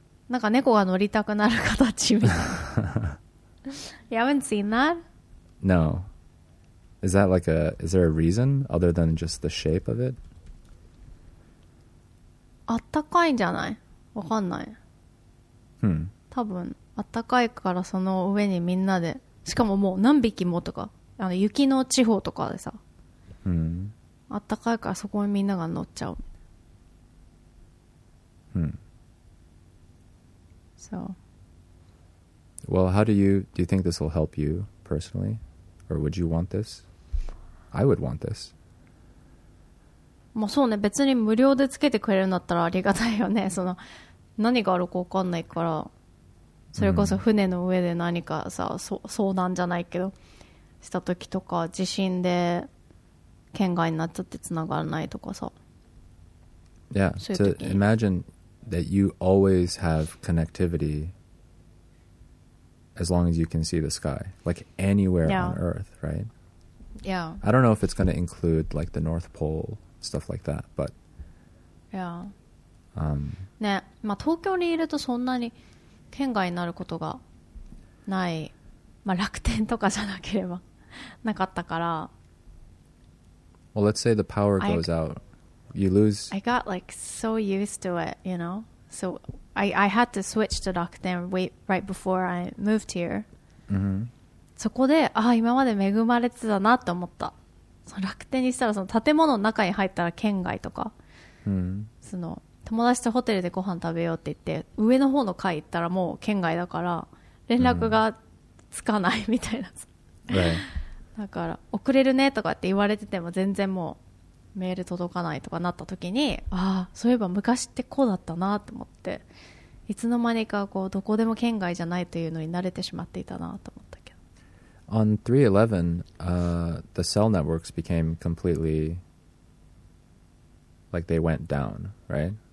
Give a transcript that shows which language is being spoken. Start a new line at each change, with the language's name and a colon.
Japanese: なんか猫が乗りたくなる形みたいな。
English: You haven't seen that? No. Is that like a... Is there a reason other than just the shape of it?
Japanese: あったかいんじゃない?わかんない。多分、あったかいからその上にみんなで、しかももう何匹もとか、あの雪の地方とかでさ。あったかいからそこにみんなが乗っちゃう。
English: So... Well, how do you think this will help you personally? Or would you want this? I would want this.
Japanese: まあそうね、別に無料でつけてくれるんだったらありがたいよね。その何があるか分かんないから、それこそ船の上で何かさ、遭難じゃないけどした時とか、地震で県外になっちゃってつながらないとかさ。
English: Yeah,
Japanese: そういう時に。
English: So imagine that you always have connectivity as long as you can see the sky, like anywhere on Earth, right? Yeah. I don't know if it's going to include like the North Pole, stuff like that, but... Yeah.
Japanese: ね、まあ東京にいるとそんなに県外になることがない、まあ楽天とかじゃなければなかったから。
English: Well, let's say the power goes out. You lose... I got like so used to it, you know? So... I had to switch to Rakuten right before I moved here.
Japanese: そこで、あ、今まで恵まれてたなって思った。その楽天にしたら、その建物の中に入ったら県外とか、その友達とホテルでご飯食べようって言って、上の方の階行ったらもう県外だから、連絡がつかないみたいな、
English: right.
Japanese: だから遅れるねとかって言われてても全然もうメール届かないとかなった時に、ああそういえば昔ってこうだったなと思って、いつの間にかこうどこでも圏外じゃないというのに慣れてしまっていたなと思ったけど。
English: On 311、the cell networks became completely like they went down, right?